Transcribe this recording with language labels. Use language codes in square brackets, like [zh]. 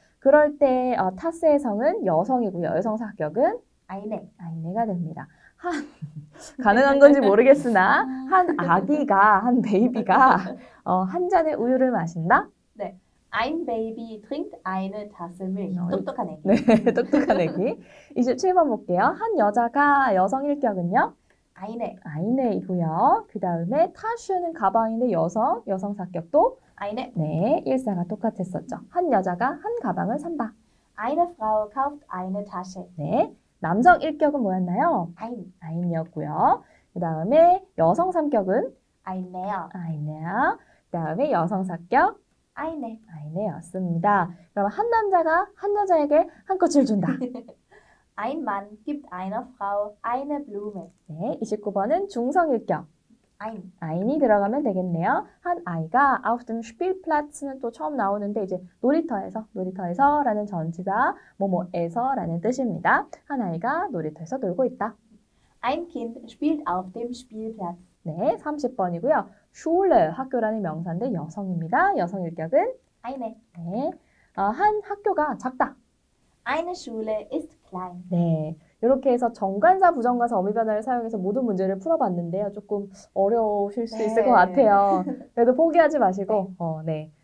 [ko] 그럴 때 타스의 성은 여성이고요. 여성 사격은 아이네. 아이네가 됩니다. 가능한 건지 모르겠으나 한 아기가 한 베이비가 한 잔의 우유를 마신다. [de] Ein Baby trinkt eine Tasse Milch. [ko] 똑똑한 애기. 네, 똑똑한 애기. 27번 볼게요. 한 여자가 여성 일격은요? 아이네. 아이네이고요. 그다음에 타슈는 가방인데 여성, 여성 사격도 아이네. 네, 일사가 똑같았었죠. 한 여자가 한 가방을 산다. [de] Eine Frau kauft eine Tasche. [ko] 네, 남성 일격은 뭐였나요? 아인. 아인이었고요. 그다음에 여성 삼격은 아인네요. 아이네요. 그다음에 여성 사격 아이네. 아이네였습니다. 그럼 한 남자가 한 여자에게 한 꽃을 준다. [de] Ein Mann gibt einer Frau eine Blume. [ko] 네, 29번은 중성일격. [de] Ein. [ko] 아인이 들어가면 되겠네요. 한 아이가 [de] auf dem Spielplatz [ko] 는 또 처음 나오는데 이제 놀이터에서라는 전치사 뭐뭐에서라는 뜻입니다. 한 아이가 놀이터에서 놀고 있다. [de] Ein Kind spielt auf dem Spielplatz. [ko] 네, 30번이고요. Schule 학교라는 명사인데 여성입니다. 여성 일격은 [de] Eine. [ko] 네, 한 학교가 작다. [de] Eine Schule ist klein. [ko] 네. 이렇게 해서 정관사, 부정관사, 어미 변화를 사용해서 모든 문제를 풀어봤는데요. 조금 어려우실 수 있을 것 같아요. 그래도 포기하지 마시고, 네.